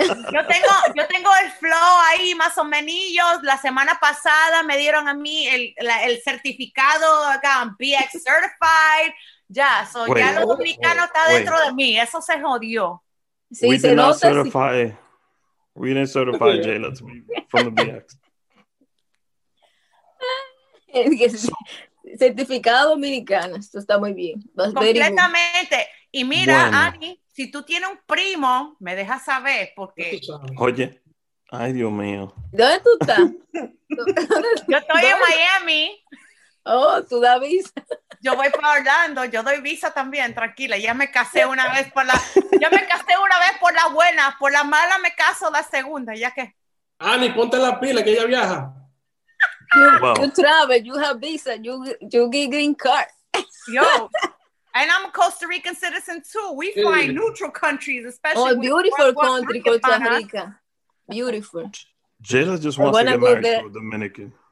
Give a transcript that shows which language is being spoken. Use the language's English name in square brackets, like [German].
[Spanish] Yo tengo el flow ahí, más o menos. La semana pasada me dieron a mí el certificado, BX Certified. Ya, ya lo dominicano está dentro de mí. Eso se jodió. [English] Sí, we did not certify. We didn't certify Jayla to me from the BX. [Spanish] Certificado dominicano, esto está muy bien. That's completamente. Y mira, bueno. Ani, si tú tienes un primo, me dejas saber porque. Oye, ay Dios mío. ¿Dónde tú estás? Yo estoy en Miami. Oh, tú das visa. Yo voy para Orlando, yo doy visa también, tranquila. Ya me casé una vez por la. Ya me casé una vez por la buena, por la mala me caso la segunda, ya que. Ani, ponte la pila que ella viaja. [English] You travel, you have visa, you get green card. Yo, and I'm a Costa Rican citizen too. We fly neutral countries, especially. Oh, beautiful country, Costa Rica. Beautiful. Jayla just wants to get married to a Dominican.